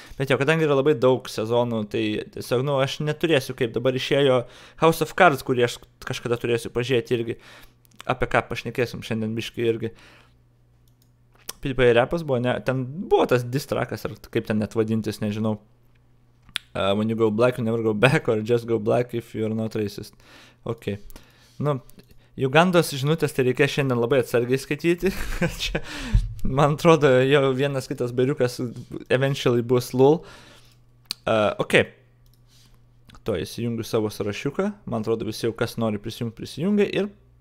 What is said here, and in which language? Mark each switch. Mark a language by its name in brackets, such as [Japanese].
[Lithuanian] Bet jau, kadangi yra labai daug sezonų, tai tiesiog, nu, aš neturėsiu, kaip dabar išėjo House of Cards, kurį aš kažkada turėsiu pažiūrėti irgi. Apie ką pašnekėsim šiandien biškai irgi. PewDiePie repas buvo, ne, ten buvo tas distrakas, ar kaip ten net vadintis, nežinau. [English] When you go black, you never go back, or just go black if you are not racist. Ok. [Lithuanian] Nu, Ugandos žinutės tai reikia šiandien labai atsargiai skaityti. Čia, man atrodo, jo vienas kitas bairiukas eventually bus lul. Ok. To, įsijungiu savo sąrašiuką. Man atrodo, visi jau kas nori prisijungti, prisijungia. Ir